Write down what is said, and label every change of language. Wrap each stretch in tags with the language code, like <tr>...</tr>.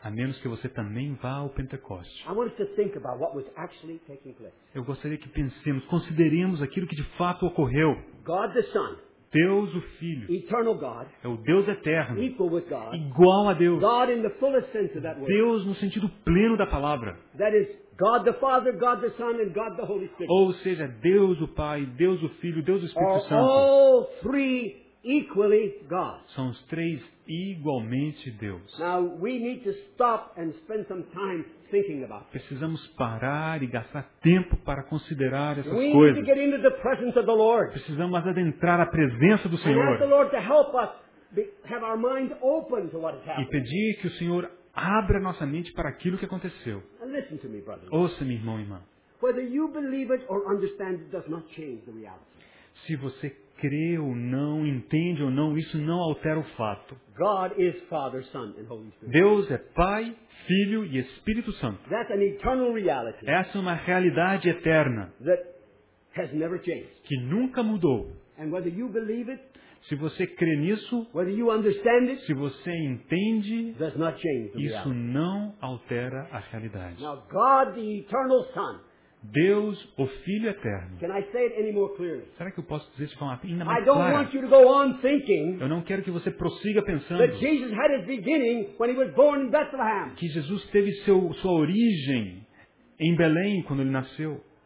<pt>A menos que você também vá ao Pentecostes.</pt> <en>I want us to think about what was actually taking place.</en> <pt>Eu gostaria que pensemos, consideremos aquilo que de fato ocorreu.</pt> <en>God the Son,</en> <pt>Deus o Filho.</pt> <en>Eternal God,</en> <pt>é o Deus eterno.</pt> <en>Equal with God,</en> <pt>igual a Deus.</pt> <en>God in the fullest sense of that word.</en> <pt>Deus no sentido pleno da palavra.</pt> <en>That is God the Father, God the Son, and God the Holy Spirit.</en> <pt>Ou seja, Deus o Pai, Deus o Filho, Deus o Espírito</pt> <en>Are</en> <pt>Santo.</pt> <en>All three Equally God.</en> <pt>São os três igualmente Deus.</pt> <en>Now we need to stop and spend some time thinking about this.</en> <pt>Precisamos parar e gastar tempo para considerar essas</pt> <en>we</en> <pt>coisas.</pt> <en>We need to get into the presence of the Lord.</en> <pt>Precisamos adentrar a presença do Senhor.</pt> <en>And ask the Lord to help us have our minds open to what has happened.</en> <pt>E pedir que o Senhor abra nossa mente para aquilo que aconteceu.</pt> <en>And listen to me, brother.</en> <pt>Ouça-me, irmão e irmã.</pt> <en>Whether you believe it or understand it does not change the reality.</en> <pt>Se você crê ou não, entende ou não, isso não altera o fato.</pt> <en>God is Father, Son, and Holy Spirit.</en> <pt>Deus é Pai, Filho e Espírito Santo.</pt> <en>That's an eternal reality.</en> <pt>Essa é uma realidade eterna</pt> <en>that has never changed.</en> <pt>Que nunca mudou.</pt> <en>And whether you believe it,</en> <pt>se você crê nisso,</pt> <en>whether you understand it,</en> <pt>se você entende,</pt> <en>does not change the</en> <pt>isso</pt> <en>reality.</en> <pt>Não altera a realidade.</pt> <en>Now God, the eternal Son,</en> <pt>Deus, o Filho Eterno.</pt> <en>Can I say it any more clearly?</en> <pt>Será que eu posso dizer isso de forma ainda mais</pt> <en>I don't</en> <pt>clara?</pt> <en>Want you to go on thinking</en> <pt>eu não quero que você prossiga pensando</pt> <en>that Jesus had his beginning when he was born in Bethlehem.</en> <pt>Que Jesus teve sua origem em Belém quando ele nasceu.</pt>